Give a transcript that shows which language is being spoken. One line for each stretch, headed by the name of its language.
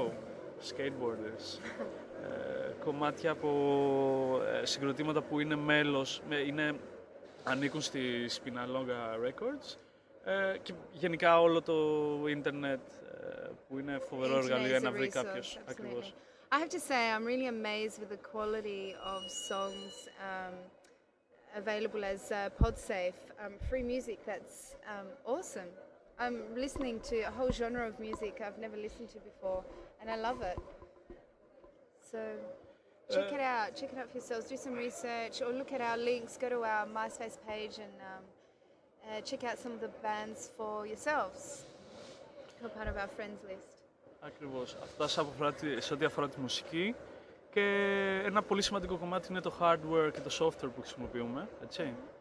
Greek: Oh, Skateboarders. Κομμάτια από συγκροτήματα που είναι μέλος, ανήκουν στη Spinalonga Records και γενικά όλο το ίντερνετ που είναι φοβερό εργαλείο για να βρει κάποιος ακριβώς.
English: I have to say I'm really amazed with the quality of songs available as Podsafe, free music, that's awesome. I'm listening to a whole genre of music I've never listened to before and I love it. So check it out for yourselves, do some research, or look at our links, go to our MySpace page and check out some of the bands for yourselves, become part of our friends list.
Greek: Ακριβώς, αυτά σε ό,τι αφορά τη μουσική, και ένα πολύ σημαντικό κομμάτι είναι το hardware και το software που χρησιμοποιούμε, έτσι.